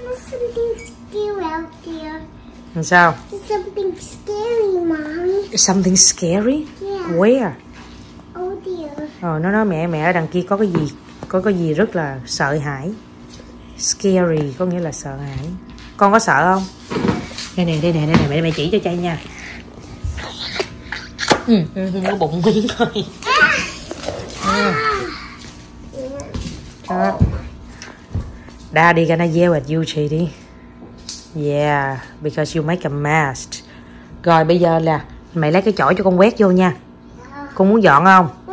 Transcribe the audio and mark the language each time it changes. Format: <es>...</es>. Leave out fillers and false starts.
<en>Something scary out there.</en> <vi>Sao?</vi> <en>There's something scary, mommy. Something scary? Yeah. Where? Oh dear.</en> <vi>Ờ, nó nói mẹ, mẹ ở đằng kia có cái gì, có cái gì rất là sợ hãi. Scary có nghĩa là sợ hãi. Con có sợ không? Đây nè, đây nè, đây nè, mẹ, mẹ chỉ cho chay nha. Nó bụng quý thôi.</vi> <en>Daddy gonna yell at you, chị. Yeah, because you make a mess.</en> <vi>Rồi bây giờ là mày lấy cái chổi cho con quét vô nha. Con muốn dọn không?</vi>